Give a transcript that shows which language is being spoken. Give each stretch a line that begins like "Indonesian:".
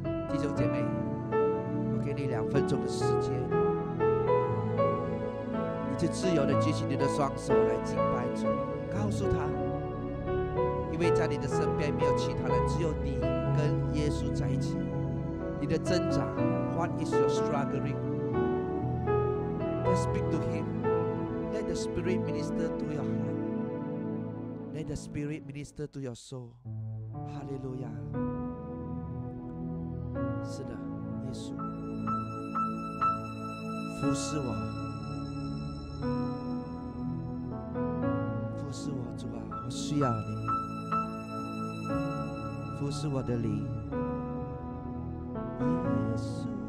Chinese: 弟兄姐妹，我给你两分钟的时间，你就自由地举起你的双手来敬拜主，告诉他，因为在你的身边没有其他人，只有你跟耶稣在一起。你的挣扎
English: What is your struggling? Let's speak to him. Let the Spirit minister to your heart. Let the Spirit minister to your soul. Hallelujah.
Chinese: 是的，耶稣，服侍我，服侍我，主啊，我需要你，不是我的灵，耶稣，